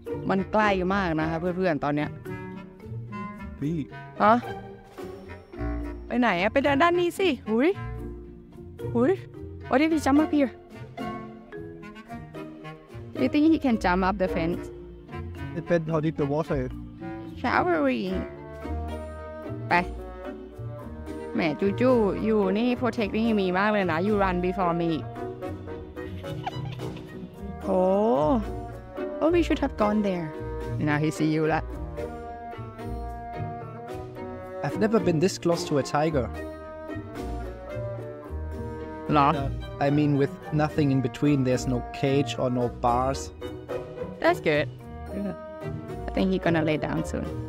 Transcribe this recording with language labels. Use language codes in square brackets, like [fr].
[th] มันใกล้มากนะคะเพื่อนๆตอนเนี้ย พี่ฮะไปไหนอะไปเดินด้านนี้สิหุยหุย [en] What if he jump up here? Do you think he can jump up the fence? It depends how deep the water is. Showering [th] ไปแม่จูจูอยู่นี่ [en] protecting me [th] มากเลยนะ [en] You run before meOh, we should have gone there. Now he see you lah. I've never been this close to a tiger. No. I mean, with nothing in between, there's no cage or no bars. That's good. Yeah. I think he's gonna lay down soon.